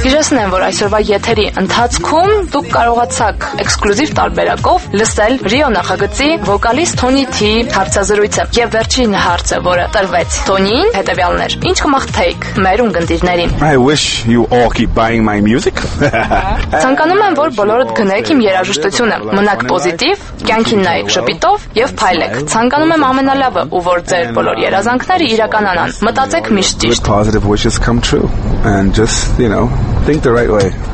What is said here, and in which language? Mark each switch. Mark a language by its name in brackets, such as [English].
[Armenian] Գիտեմ, որ այսօրվա եթերի ընթացքում դուք կարողացաք էքսկլյուզիվ տարբերակով լսել Rio նախագծի վոկալիստ Tony T-ի հարցազրույցը եւ վերջին հարցը, որը տրվեց Tony-ին, հետեւյալներ. Ինչ կմաղթեիք մեր ուղդիրներին? [English] I wish you all keep buying my music. [Armenian] Ցանկանում եմ, որ բոլորդ գնեք իմ երաժշտությունը, մնաք պոզիտիվ, կյանքին նայեք շփիտով եւ փայլեք։ Ցանկանում եմ ամենալավը, ու որ ձեր բոլոր երազանքները իրականանան։ Մտածեք միշտ ճիշտ. [English] Positive wishes come true and just, you know, think the right way.